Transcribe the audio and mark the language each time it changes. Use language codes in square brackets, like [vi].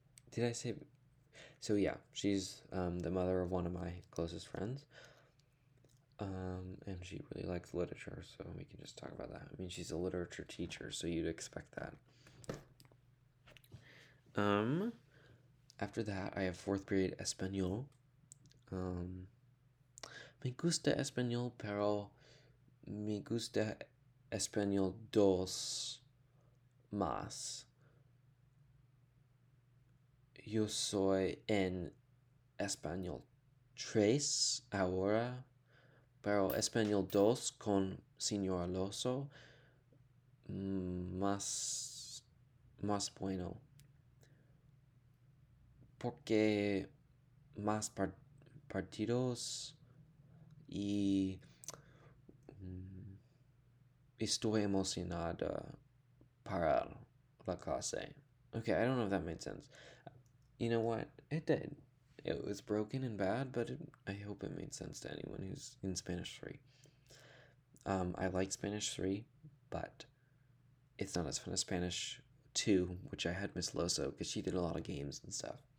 [en] Did I say? So yeah, she's the mother of one of my closest friends. And she really likes literature, so we can just talk about that. I mean, she's a literature teacher, so you'd expect that. After that, I have fourth period Espanol. [es] Me gusta Espanol, pero me gusta Espanol dos más. Yo soy en Espanol tres ahora. Pero Espanol dos con Señor Alonso, más bueno. Porque más partidos y estoy emocionada para la clase. [en] Okay, I don't know if that made sense. You know what? It did. It was broken and bad, but I hope it made sense to anyone who's in Spanish 3. I like Spanish 3, but it's not as fun as Spanish 2, which I had Miss Loso, because she did a lot of games and stuff.